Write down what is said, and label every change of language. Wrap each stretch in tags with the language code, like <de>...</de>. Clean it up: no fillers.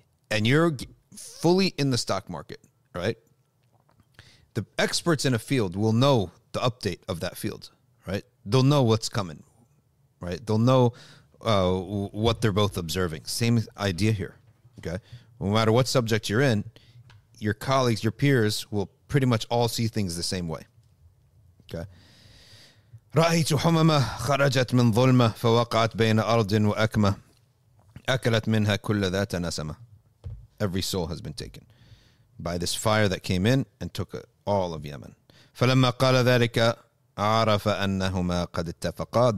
<en>and you're fully in the stock market, right? The experts in a field will know the update of that field, right? They'll know what's coming, right? They'll know what they're both observing. Same idea here, okay? No matter what subject you're in, your colleagues, your peers will pretty much all see things the same way, okay?</en> <ar>رأيت حمامة خرجت من ظلمة فوقعت بين أرض وأكمة أكلت منها كل ذات نسمة.</ar> <en>Every soul has been taken by this fire that came in and took all of Yemen.</en> <ar>فلما قال ذلك عرف أنهما قد اتفقا.</ar>